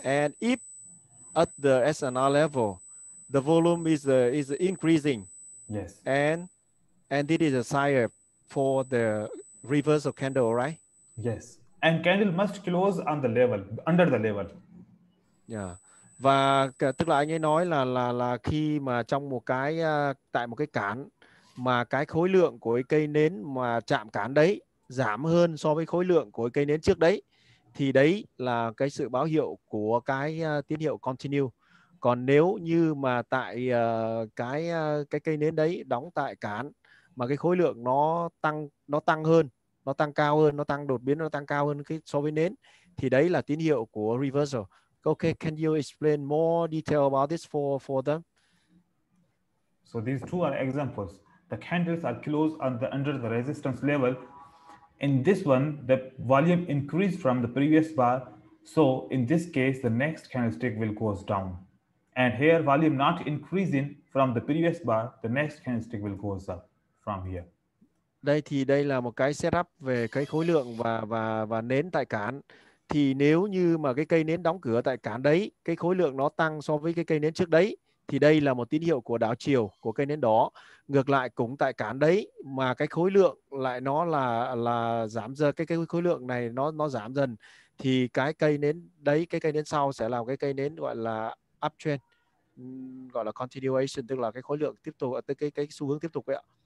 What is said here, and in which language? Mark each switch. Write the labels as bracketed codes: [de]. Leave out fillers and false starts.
[en] And if at the SNR level, the volume is increasing. Yes. And this is a sign for the reverse of candle, right? Yes. And candle must close on the level, under the level. Yeah. [vi] Và tức là anh ấy nói là khi mà trong một cái tại một cái cản mà cái khối lượng của cái cây nến mà chạm cản đấy giảm hơn so với khối lượng của cái cây nến trước đấy thì đấy là cái sự báo hiệu của cái tín hiệu continue. Còn nếu như mà tại cái cây nến đấy đóng tại cản mà cái khối lượng nó tăng cao hơn cái so với nến thì đấy là tín hiệu của reversal. [en] Okay, can you explain more detail about this for them? So these two are examples. The candles are closed under the resistance level. In this one, the volume increased from the previous bar. So in this case, the next candlestick will close down. And here, volume not increasing from the previous bar, the next candlestick will close up from here. [vi] Đây thì đây là một cái setup về cái khối lượng và nến tại cản. Thì nếu như mà cái cây nến đóng cửa tại cản đấy, cái khối lượng nó tăng so với cái cây nến trước đấy, thì đây là một tín hiệu của đảo chiều của cây nến đó. Ngược lại cũng tại cản đấy, mà cái khối lượng lại nó là giảm dần, cái khối lượng này nó giảm dần, thì cái cây nến đấy, cái cây nến sau sẽ là cái cây nến gọi là uptrend, gọi là continuation, tức là cái khối lượng tiếp tục, tức cái xu hướng tiếp tục ấy ạ.